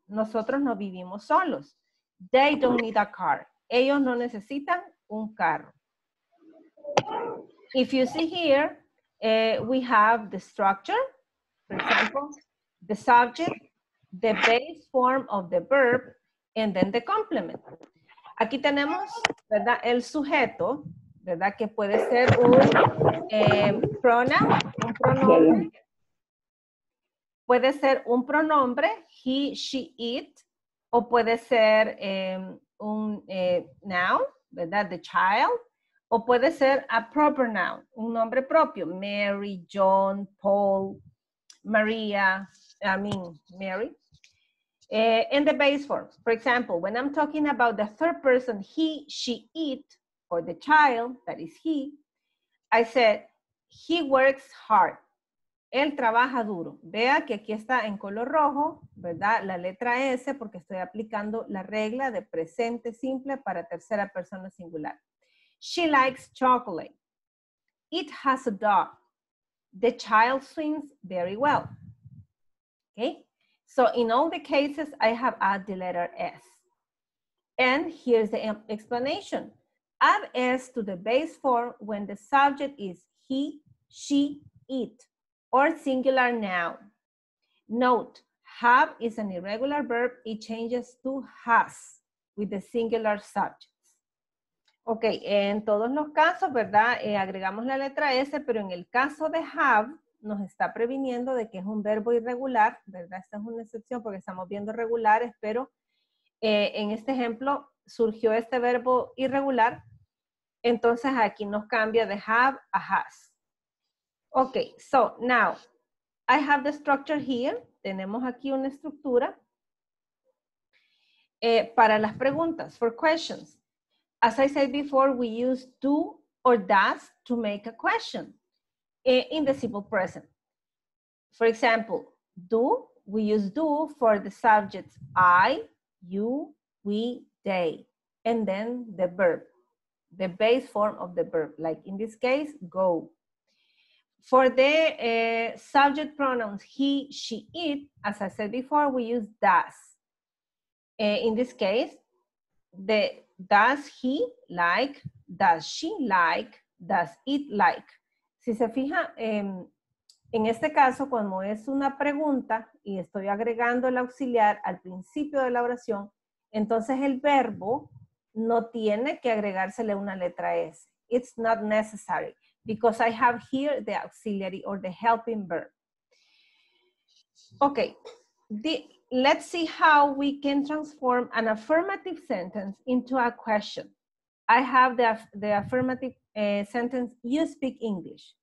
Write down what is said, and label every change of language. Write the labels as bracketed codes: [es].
[es] Nosotros no vivimos solos. [en] They don't need a car. [es] Ellos no necesitan un carro. [en] If you see here, we have the structure, for example, the subject, the base form of the verb, and then the complement. [es] Aquí tenemos, ¿verdad?, el sujeto, ¿verdad?, que puede ser un pronombre. Puede ser un pronombre, he, she, it, o puede ser noun, ¿verdad?, [en] the child, [es] o puede ser [en] a proper noun, [es] un nombre propio, Mary, John, Paul, María, [en] I mean, [es] Mary. [en] In the base form, for example, when I'm talking about the third person, he, she, it, or the child, that is he, I said, he works hard. [es] Él trabaja duro. Vea que aquí está en color rojo, ¿verdad? La letra S, porque estoy aplicando la regla de presente simple para tercera persona singular. [en] She likes chocolate. It has a dog. The child swims very well. Okay? So in all the cases, I have added the letter S. And here's the explanation. Add S to the base form when the subject is he, she, it, or singular noun. Note, have is an irregular verb. It changes to has with the singular subject. [es] Ok, en todos los casos, ¿verdad? Agregamos la letra S, pero en el caso de have, nos está previniendo de que es un verbo irregular, ¿verdad? Esta es una excepción porque estamos viendo regulares, pero en este ejemplo surgió este verbo irregular. Entonces aquí nos cambia de have a has. [en] Ok, so now, I have the structure here. [es] Tenemos aquí una estructura para las preguntas, [en] for questions. As I said before, we use do or does to make a question in the simple present. For example, do, we use do for the subjects I, you, we, they, and then the verb, the base form of the verb, like in this case, go. For the subject pronouns he, she, it, as I said before, we use does. In this case, the does he like, does she like, does it like. [es] Si se fija, en este caso, como es una pregunta y estoy agregando el auxiliar al principio de la oración, entonces el verbo no tiene que agregársele una letra S. [en] It's not necessary because I have here the auxiliary or the helping verb. Okay. Let's see how we can transform an affirmative sentence into a question. I have the affirmative sentence, you speak English.